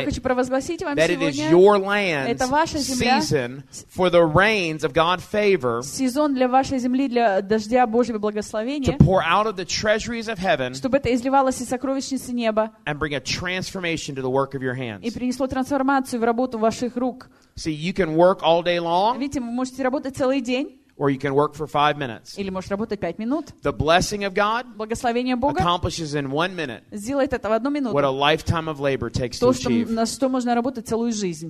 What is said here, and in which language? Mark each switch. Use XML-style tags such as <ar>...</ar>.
<ru>Я хочу провозгласить вам</ru> <en>that</en> <ru>сегодня.</ru> <en>That it is your land.</en> <ru>Это ваша земля.</ru> <en>Season for the rains of God's favor.</en> <ru>Сезон для вашей земли для дождя Божьего благословения.</ru> <en>To pour out of the treasuries of heaven.</en> <ru>Чтобы это изливалось из сокровищницы неба.</ru> <en>And bring a transformation to the work of your hands.</en> <ru>И принесло трансформацию в работу ваших рук.</ru> <en>See, you can work all day long.</en> <ru>Видите, вы можете работать целый день.</ru> <en>Or you can work for 5 minutes.</en> <ru>Или можешь работать 5 минут.</ru> <en>The blessing of God.</en> <ru>Благословение Бога.</ru> <en>Accomplishes in 1 minute.</en> <ru>Сделает это в 1 минуту.</ru> <en>What a lifetime of labor takes</en> <ru>то,</ru> <en>to achieve.</en> <ru>То, на что можно работать целую жизнь.</ru>